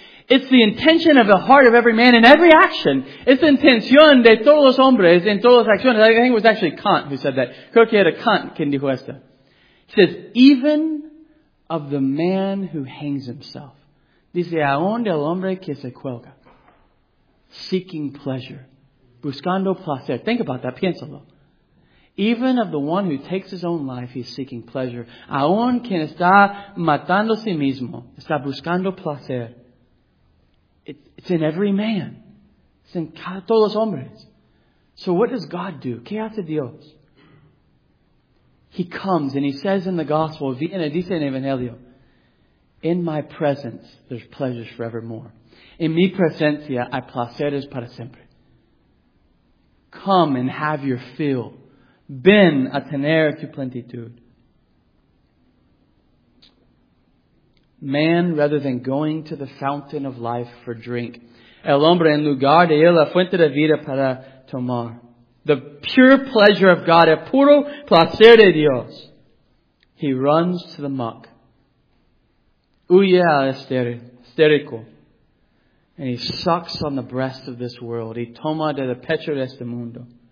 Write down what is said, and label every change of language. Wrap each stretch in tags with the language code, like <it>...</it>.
<en>It's the intention of the heart of every man in every action. It's the</en> <es>intención de todos los hombres en todas las acciones.</es> <en>I think it was actually Kant who said that.</en> <es>Creo que era Kant quien dijo esto.</es> <en>He says, even of the man who hangs himself.</en> <es>Dice, aún del hombre que se cuelga.</es> <en>Seeking pleasure.</en> <es>Buscando placer.</es> <en>Think about that.</en> <es>Piénsalo.</es> <en>Even of the one who takes his own life, he's seeking pleasure.</en> <es>Aún quien está matando a sí mismo, está buscando placer.</es> <en>It's in every man. It's in</en> <es>todos los hombres.</es> <en>So what does God do?</en> <es>¿Qué hace Dios?</es> <en>He comes and he says in the gospel,</en> <es>viene, dice en Evangelio,</es> <en>in my presence, there's pleasures forevermore.</en> <es>En mi presencia, hay placeres para siempre.</es> <en>Come and have your fill.</en> <es>Ven a tener tu plenitud.</es> <en>Man, rather than going to the fountain of life for drink.</en> <es>El hombre, en lugar de ir a la fuente de vida para tomar.</es> <en>The pure pleasure of God,</en> <es>el puro placer de Dios.</es> <en>He runs to the muck.</en> <es>Huye al estérico.</es> <en>And he sucks on the breast of this world.</en> <es>He toma de la pecho de este mundo.</es>